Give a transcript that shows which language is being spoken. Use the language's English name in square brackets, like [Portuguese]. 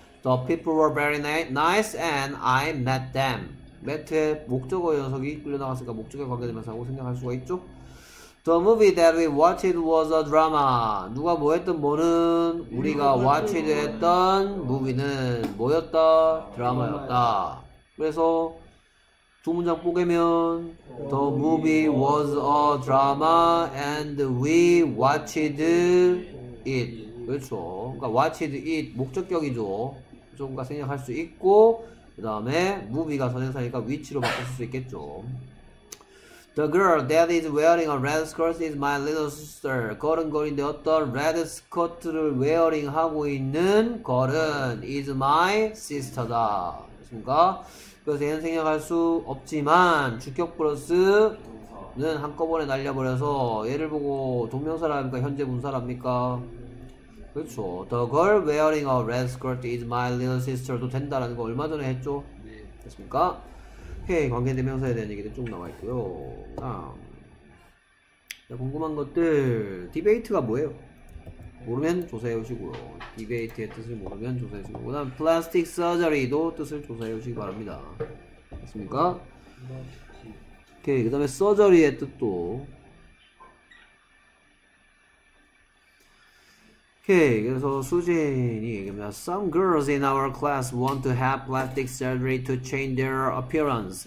[English] The people were very nice and I met them. [Korean] met의 목적어 녀석이 끌려나갔으니까 목적에 관계되면서 생각할 수가 있죠. [English] The movie that we watched was a drama. [Korean] 누가 뭐 했던 뭐는 우리가 watched 했던 movie는 뭐였다? 드라마였다. 그래서 두 문장 뽀개면 [English] The movie was a drama and we watched it. [Korean] 그렇죠. 그러니까 watched it 목적격이죠. 좀가 생략할 수 있고 그 다음에 movie가 선행사니까 위치로 바꿀 수 있겠죠. [English] The girl that is wearing a red skirt is my little sister. [Korean] 걸음걸인데 어떤 red skirt를 wearing 하고 있는 걸은 is my sister다. 그렇습니까? 그래서 얘는 생략할 수 없지만 주격 플러스는 한꺼번에 날려버려서 얘를 보고 동명사랍니까 현재 분사랍니까? 그렇죠. [English] The girl wearing a red skirt is my little sister [Korean] 도 된다라는 거 얼마 전에 했죠? 네. 됐습니까? 헤이, 관계대명사에 대한 얘기도 쭉 나와 있고요. 자, 궁금한 것들. 디베이트가 뭐예요? 모르면 조사해 오시고요. 디베이트의 뜻을 모르면 조사해 오시고요. 그 다음, 플라스틱 서저리도 뜻을 조사해 오시기 바랍니다. 됐습니까? 오케이. 그 다음에 서저리의 뜻도. 오케이, 그래서 수진이 얘기합니다. [English] Some girls in our class want to have plastic surgery to change their appearance.